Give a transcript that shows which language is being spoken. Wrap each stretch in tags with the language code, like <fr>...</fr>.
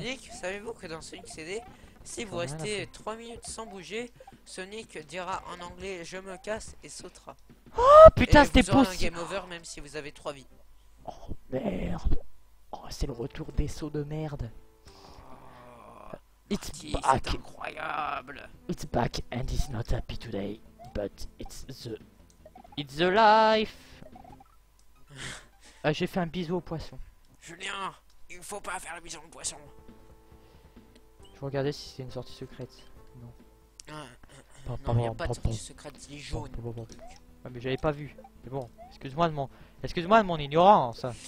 <fr>Sonic, savez-vous que dans Sonic CD, Si vous restez 3 minutes sans bouger, Sonic dira en anglais je me casse et sautera. Oh putain, c'était possible. Game over même si vous avez 3 vies. Oh merde. Oh, c'est le retour des sauts de merde.</fr> <en>It's back.</en> <fr>C'est incroyable.</fr> <en>It's back and is not happy today, but it's the life.</en> <fr>Ah, j'ai fait un bisou au poisson. Julien, il faut pas faire le bisou au poisson. Je regardais si c'est une sortie secrète. Non. Non, il n'y a pas de sortie secrète. Il est jaune. Ah, mais j'avais pas vu. Mais bon, excuse-moi de mon ignorance.</fr>